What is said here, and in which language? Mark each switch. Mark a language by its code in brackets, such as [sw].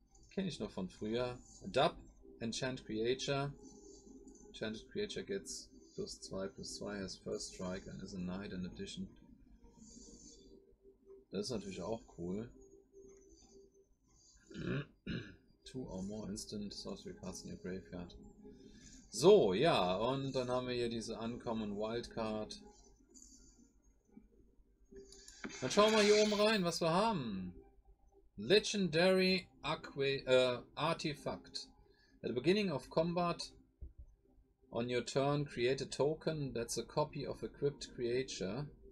[de] Kenne ich noch von früher. Dub, Enchant Creature. [en] Enchanted Creature gets plus 2, has first strike and is a knight in addition. [de] Das ist natürlich auch cool. [en] Two or more instant sorcery cards in your graveyard. [de] So, ja, und dann haben wir hier diese Uncommon Wildcard. Dann schauen wir hier oben rein, was wir haben. [en] Legendary Artifact. At the beginning of combat, on your turn, create a token that's a copy of equipped creature.